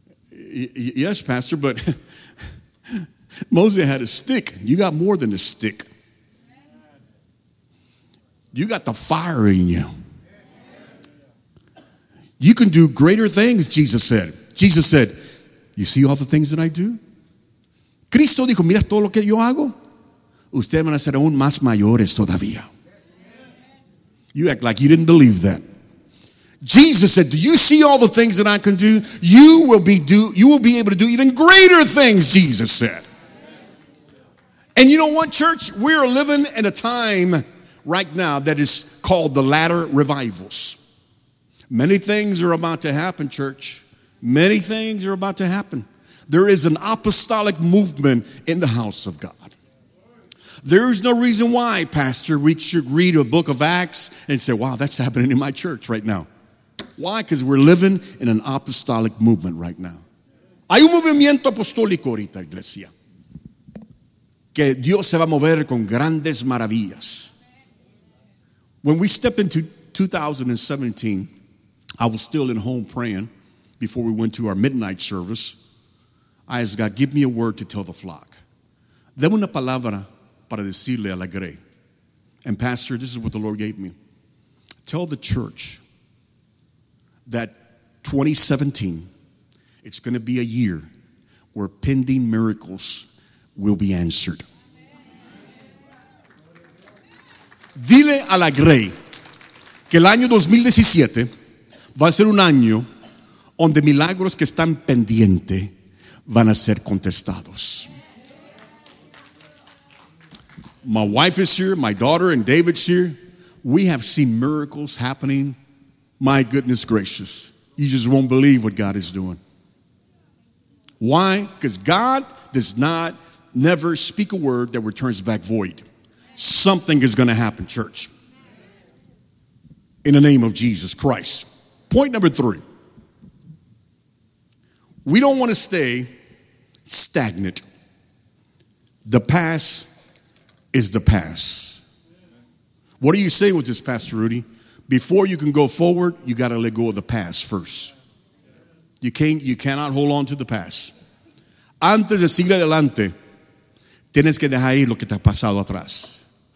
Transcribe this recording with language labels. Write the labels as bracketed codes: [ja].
[en] Yes, Pastor, but Moses had a stick. You got more than a stick. You got the fire in you. You can do greater things, Jesus said. Jesus said, "You see all the things that I do?" [es] Cristo dijo, "Mira todo lo que yo hago. Ustedes van a ser aún más mayores todavía." [en] You act like you didn't believe that. Jesus said, "Do you see all the things that I can do? You will be able to do even greater things," Jesus said. And you know what, church? We are living in a time right now that is called the latter revivals. Many things are about to happen, church. Many things are about to happen. There is an apostolic movement in the house of God. There is no reason why, Pastor, we should read a book of Acts and say, "Wow, that's happening in my church right now." Why? Because we're living in an apostolic movement right now. [es] Hay un movimiento apostólico ahorita, iglesia. Que Dios se va a mover con grandes maravillas. [en] When we step into 2017, I was still in home praying before we went to our midnight service. I asked God, "Give me a word to tell the flock. [es] Deme una palabra para decirle a la grey." [en] And Pastor, this is what the Lord gave me. Tell the church that 2017, it's going to be a year where pending miracles will be answered. Amen. [es] Dile a la grey que el año 2017 va a ser un año donde milagros que están pendiente van a ser contestados. [en] My wife is here. My daughter and David's here. We have seen miracles happening. My goodness gracious. You just won't believe what God is doing. Why? Because God does not never speak a word that returns back void. Something is going to happen, church. In the name of Jesus Christ. Point number three. We don't want to stay stagnant. The past is the past. What are you saying with this, Pastor Rudy? Before you can go forward, you got to let go of the past first. You cannot hold on to the past. [es] Antes de seguir adelante, tienes que dejar ir lo que te ha pasado atrás.